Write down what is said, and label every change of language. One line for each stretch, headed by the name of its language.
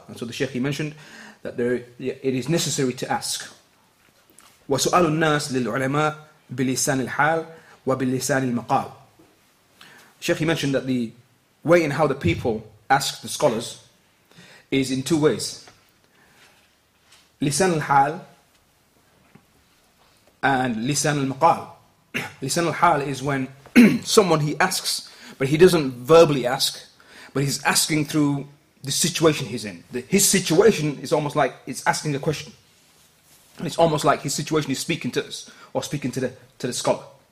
English: And so the Sheikh, he mentioned that it is necessary to ask.
Arabic: وَسُؤَالُ النَّاسِ لِلْعُلَمَاءِ بِلِسَانِ الْحَالِ وَبِلِسَانِ الْمَقَالِ.
English: Sheikh, he mentioned that the way in how the people ask the scholars is in two ways.
Arabic: لسان الحال and لسان المقال.
English: لسان الحال is when someone, he asks, but he doesn't verbally ask, but he's asking through the situation he's in. His situation is almost like it's asking a question. It's almost like his situation is speaking to us, or speaking to the scholar.